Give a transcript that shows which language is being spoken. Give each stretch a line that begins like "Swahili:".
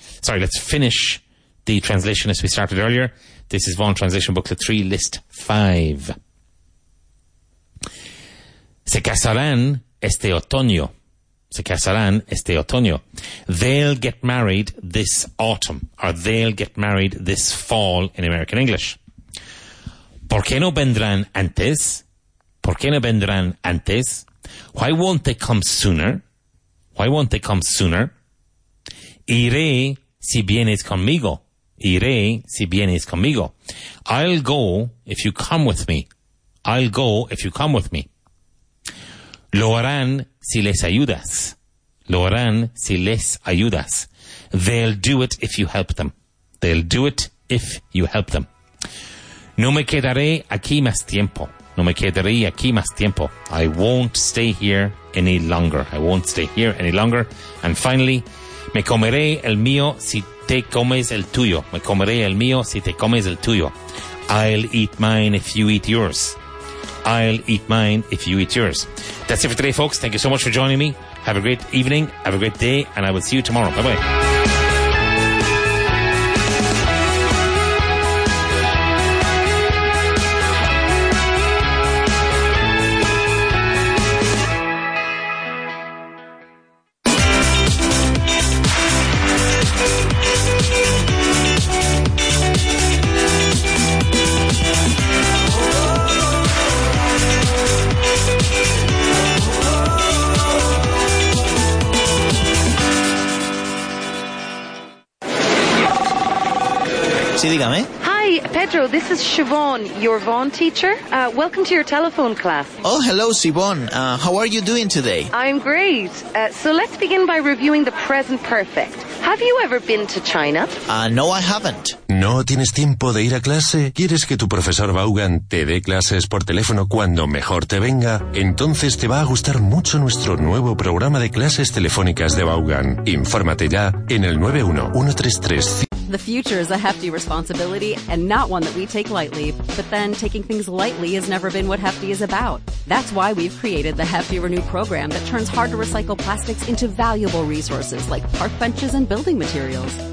English: Sorry, let's finish the translation as we started earlier. This is Vaughan Translation Booklet 3, List 5.
Spanish: Se casarán este otoño. Se casarán este otoño.
English: They'll get married this autumn. Or they'll get married this fall in American English.
Spanish: ¿Por qué no vendrán antes? ¿Por qué no vendrán antes?
English: Why won't they come sooner? Why won't they come sooner?
Spanish: Iré si vienes conmigo. Iré si vienes conmigo.
English: I'll go if you come with me. I'll go if you come with me.
Spanish: Lo harán si les ayudas. Lo harán si les ayudas.
English: They'll do it if you help them. They'll do it if you help them.
Spanish: No me quedaré aquí más tiempo. No me quedaré aquí más tiempo.
English: I won't stay here any longer. I won't stay here any longer. And finally,
Spanish: me comeré el mío si te comes el tuyo. Me comeré el mío si te comes el tuyo.
English: I'll eat mine if you eat yours. I'll eat mine if you eat yours. That's it for today, folks. Thank you so much for joining me. Have a great evening. Have a great day. And I will see you tomorrow. Bye-bye. Hi, Pedro, this is Siobhan, your Vaughan teacher. Welcome to your telephone class. Oh, hello, Siobhan. How are you doing today? I'm great. So let's begin by reviewing the present perfect. Have you ever been to China? No, I haven't.
Spanish: ¿No tienes tiempo de ir a clase? ¿Quieres que tu profesor Vaughan te dé clases por teléfono cuando mejor te venga? Entonces te va a gustar mucho nuestro nuevo programa de clases telefónicas de Vaughan. Infórmate ya en el 91-133-5.
English: The future is a hefty responsibility and not one that we take lightly. But then taking things lightly has never been what Hefty is about. That's why we've created the Hefty Renew program that turns hard to recycle plastics into valuable resources like park benches and building materials.